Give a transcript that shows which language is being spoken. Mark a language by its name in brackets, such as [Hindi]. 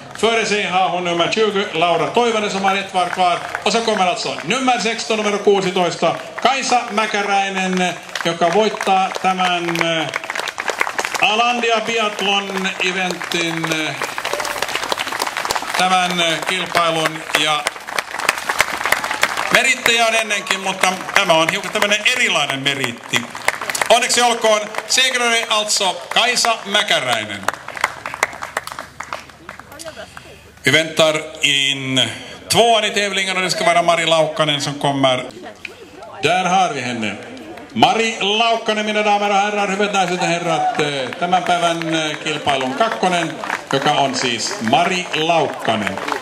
[Swedish] Före sig har hon nummer 20, Laura Toivonen, som har ett var kvar. Och så kommer alltså nummer 16, [Finnish] numero 16, Kajsa Mäkäräinen, joka voittaa tämän Alandia Biathlon-eventin tämän kilpailun ja merittejä on ennenkin, mutta tämä on hiukan tämmöinen erilainen meritti. Onneksi olkoon, [Swedish] segrare alltså Kajsa Mäkäräinen. Vi väntar in tvåan i tävlingen och det ska vara Mari Laukkanen som kommer. Där har vi henne. [Finnish] Mari Laukkanen, [Swedish] mina damer och herrar, [Finnish] hyvät naiset ja herrat, tämän päivän kilpailun kakkonen, joka on siis Mari Laukkanen.